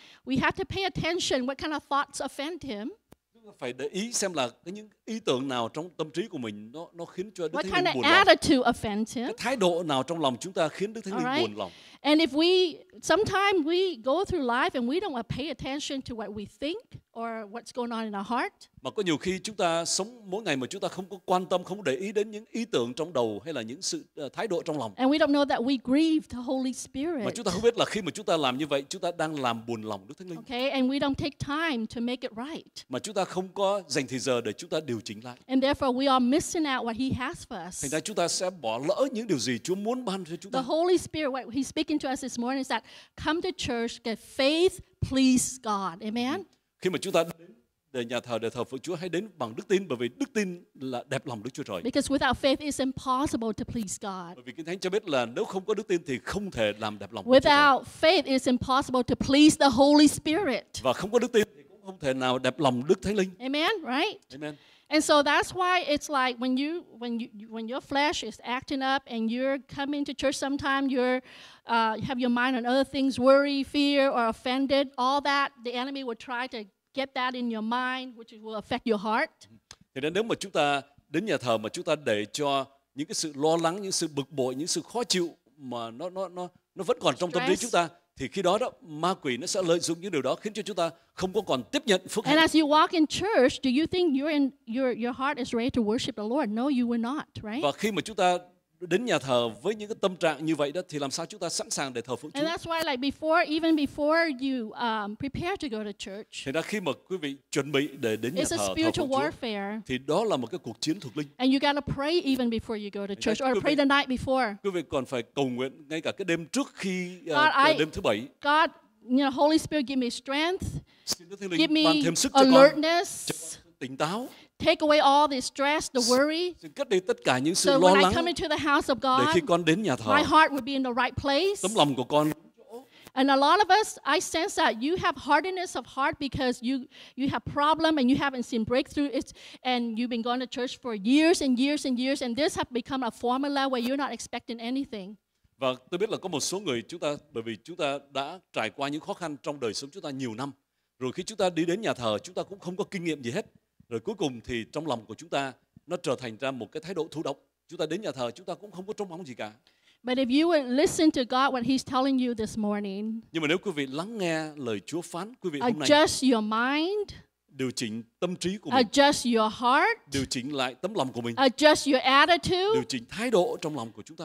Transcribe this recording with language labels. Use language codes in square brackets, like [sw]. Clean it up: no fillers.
[en] We have to pay attention what kind of thoughts offend him. [vi] Chúng ta phải để ý xem là cái những ý tưởng nào trong tâm trí của mình nó khiến cho Đức [en] what [vi] Thánh Linh buồn lòng. [en] What kind of attitude offends him? [vi] Cái thái độ nào trong lòng chúng ta khiến Đức Thánh Linh buồn lòng? [en] And if we sometimes we go through life and we don't pay attention to what we think or what's going on in our heart. [vi] Mà có nhiều khi chúng ta sống mỗi ngày mà chúng ta không có quan tâm, không để ý đến những ý tưởng trong đầu hay là những sự thái độ trong lòng. [en] And we don't know that we grieve the Holy Spirit. [vi] Mà chúng ta không biết là khi mà chúng ta làm như vậy, chúng ta đang làm buồn lòng Đức Thánh Linh. [en] Okay, and we don't take time to make it right. [vi] Mà chúng ta không có dành thời giờ để chúng ta điều chỉnh lại. [en] And therefore we are missing out what he has for us. [vi] Thành ra chúng ta sẽ bỏ lỡ những điều gì Chúa muốn ban cho chúng ta. [en] The Holy Spirit what he's speaking to us this morning is that come to church, get faith, please God. Amen. [vi] Khi mà chúng ta để nhà thờ để thờ phượng Chúa hãy đến bằng đức tin, bởi vì đức tin là đẹp lòng Đức Chúa Trời. [en] Because without faith it's impossible to please God. [vi] Bởi vì Kinh Thánh cho biết là nếu không có đức tin thì không thể làm đẹp lòng [en] without [vi] Chúa Trời. [en] Without faith it's impossible to please the Holy Spirit. [vi] Và không có đức tin thì cũng không thể nào đẹp lòng Đức Thánh Linh. [en] Amen, right? Amen. And so that's why it's like when your flesh is acting up and you're coming to church sometime, you're have your mind on other things, worry, fear, or offended, all that the enemy will try to get that in your mind, which will affect your heart. [vi] Thì nếu mà chúng ta đến nhà thờ mà chúng ta để cho những cái sự lo lắng, những sự bực bội, những sự khó chịu mà nó vẫn còn trong [en] stress. [vi] Tâm trí chúng ta, thì khi đó đó ma quỷ nó sẽ lợi dụng những điều đó khiến cho chúng ta không có còn tiếp nhận phước hạnh. [en] And as you walk in church, do you think you're in your heart is ready to worship the Lord? No, you were not, right? [vi] Và khi mà chúng ta đến nhà thờ với những cái tâm trạng như vậy đó thì làm sao chúng ta sẵn sàng để thờ phượng Chúa? [en] And that's why like before even before you prepare to go to church. [vi] Thì đó khi mà quý vị chuẩn bị để đến nhà thờ thờ phượng Chúa thì đó là một cái cuộc chiến thuộc linh. [en] And you gotta pray even before you go to church or pray the night before. [vi] Quý vị còn phải cầu nguyện ngay cả cái đêm trước khi đêm thứ bảy. [en] God, you know, Holy Spirit give me strength. Give me [vi] thêm sức [en] alertness. [vi] Tỉnh táo. [en] Take away all the stress, the worry. [vi] Cất đi tất cả những sự [en] so [vi] lo [en] when [vi] lắng. [en] I come into the house of God, [vi] để khi con đến nhà thờ, [en] my heart would be in the right place. [vi] Tấm lòng của con. [en] And a lot of us, I sense that you have hardness of heart because you have problem and you haven't seen breakthrough. And you've been going to church for years and years and years, and this has become a formula where you're not expecting anything. [vi] Và tôi biết là có một số người chúng ta, bởi vì chúng ta đã trải qua những khó khăn trong đời sống chúng ta nhiều năm, rồi khi chúng ta đi đến nhà thờ, chúng ta cũng không có kinh nghiệm gì hết. Rồi cuối cùng thì trong lòng của chúng ta nó trở thành ra một cái thái độ thụ động. Chúng ta đến nhà thờ chúng ta cũng không có trông mong gì cả. [en] But if you would listen to God what he's telling you this morning. [vi] Nhưng mà nếu quý vị lắng nghe lời Chúa phán quý vị hôm nay. [en] Adjust your mind. [vi] Điều chỉnh tâm trí của mình. [en] Adjust your heart. [vi] Điều chỉnh lại tấm lòng của mình. [en] Adjust your attitude. [vi] Điều chỉnh thái độ trong lòng của chúng ta.